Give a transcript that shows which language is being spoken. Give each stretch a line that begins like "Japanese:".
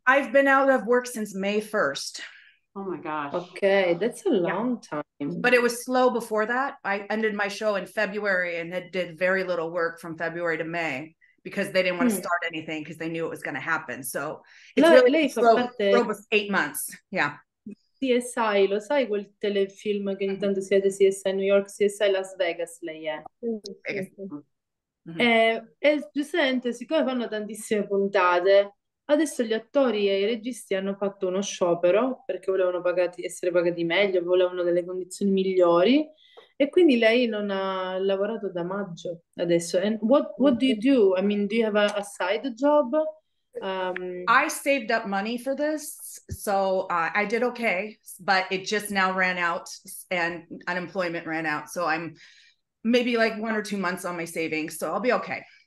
English: I've been out of work since May 1st. Oh my gosh. Okay, that's a long time. But it was slow before that. I ended my show in February and had did very little work from February to May, because they didn't want to start anything because they knew it was going to happen. So it's really almost 8 months. Yeah.
Italian: CSI, lo sai quel telefilm che intanto siete CSI New York, CSI Las Vegas, lei è. Vegas. E giustamente, siccome fanno tantissime puntate, adesso gli attori e i registi hanno fatto uno sciopero perché volevano pagati, essere pagati meglio, volevano delle condizioni migliori. E quindi lei non ha lavorato da maggio adesso.
English: And what do you do? I mean, do you have a side job? I saved up money for this, so I did okay, but it just now ran out and unemployment ran out, so I'm maybe like 1 or 2 months on my savings, so I'll be okay.